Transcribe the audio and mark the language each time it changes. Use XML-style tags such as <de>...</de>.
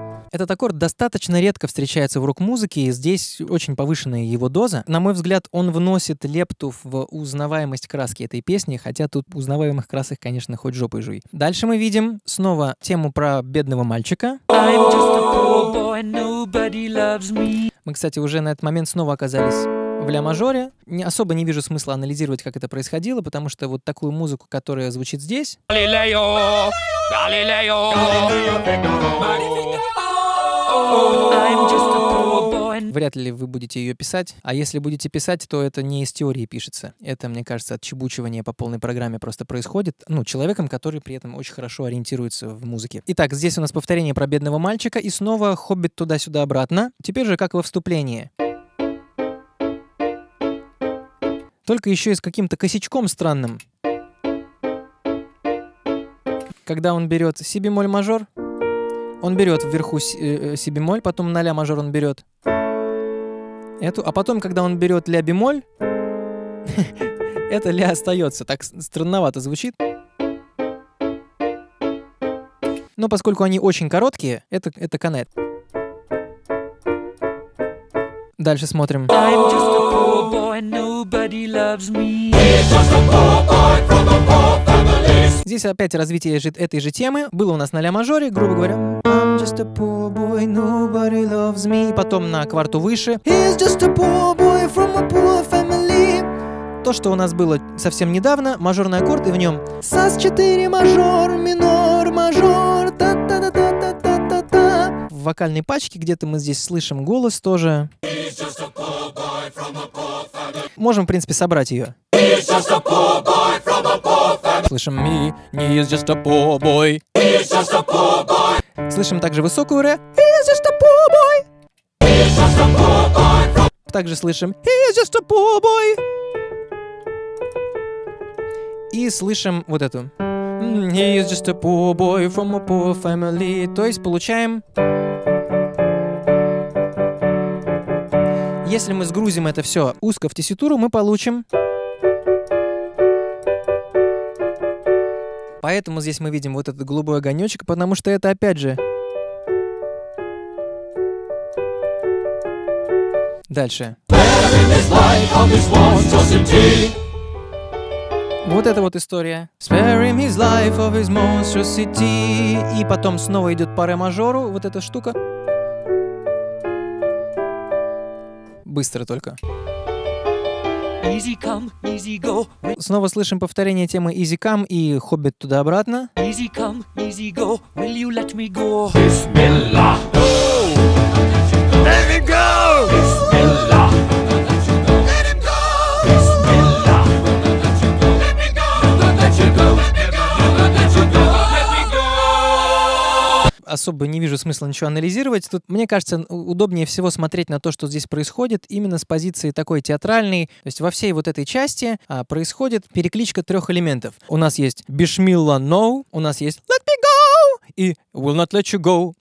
<ru>Этот аккорд достаточно редко встречается в рок-музыке, и здесь очень повышенная его доза. На мой взгляд, он вносит лепту в узнаваемость краски этой песни, хотя тут узнаваемых красок, конечно, хоть жопой жуй. Дальше мы видим снова тему про бедного мальчика.</ru> <en>I'm just a poor boy, and nobody loves me.</en> <ru>Мы, кстати, уже на этот момент снова оказались в ля-мажоре. Не, особо не вижу смысла анализировать, как это происходило, потому что вот такую музыку, которая звучит здесь...</ru> <en>Galileo, Galileo, I'm just a poor boy.</en> <ru>Вряд ли вы будете ее писать. А если будете писать, то это не из теории пишется. Это, мне кажется, отчебучивание по полной программе просто происходит. Ну, человеком, который при этом очень хорошо ориентируется в музыке. Итак, здесь у нас повторение про бедного мальчика. И снова хоббит туда-сюда обратно. Теперь же как во вступлении. Только еще и с каким-то косячком странным. Когда он берет си бемоль мажор. Он берет вверху си бемоль, потом на ля мажор он берет эту, а потом, когда он берет ля бемоль, это ля остается. Так странновато звучит. Но поскольку они очень короткие, это канет. Дальше смотрим.</ru> <en>I'm just a poor boy, and nobody loves me. He's just a poor boy from a poor family.</en> <ru>Здесь опять развитие этой же темы. Было у нас на ля мажоре, грубо говоря.</ru> <en>I'm just a poor boy, nobody loves me.</en> <ru>Потом на кварту выше.</ru> <en>He's just a poor boy from a poor family.</en> <ru>То, что у нас было совсем недавно, мажорный аккорд, и в нем сас 4 мажор, минор мажор, та-та-та-та-та-та-та. В вокальной пачке где-то мы здесь слышим голос тоже.</ru> <en>He's just a poor boy from a poor family.</en> <ru>Можем, в принципе, собрать ее.</ru> <en>He's just a poor boy from a poor family.</en> <ru>Слышим ми, не</ru> <en>he's just a poor boy. He's just a poor boy.</en> <ru>Слышим также высокую ре.</ru> <en>He's just a poor boy. He's just a poor boy.</en> <ru>Также слышим.</ru> <en>He's just a poor boy.</en> <ru>И слышим вот эту.</ru> <en>He's just a poor boy from a poor family.</en> <ru>То есть получаем. Если мы сгрузим это все узко в тесситуру, мы получим. Поэтому здесь мы видим вот этот голубой огонечек, потому что это опять же. Дальше. Вот это вот история.</ru> <en>Spare him his life of his monstrosity.</en> <ru>И потом снова идет по ре-мажору вот эта штука. Быстро только.</ru> <en>Easy come, easy go.</en> <ru>Снова слышим повторение темы Easy Come и Хоббит туда-обратно. Easy come, easy go. Will you let me go? Bismillah. Особо не вижу смысла ничего анализировать. Тут, мне кажется, удобнее всего смотреть на то, что здесь происходит, именно с позиции такой театральной. То есть во всей вот этой части происходит перекличка трех элементов. У нас есть «Бишмилла, no», у нас есть</ru> <en>«Let me go»</en> <ru>и</ru> <en>«Will not let you go».</en>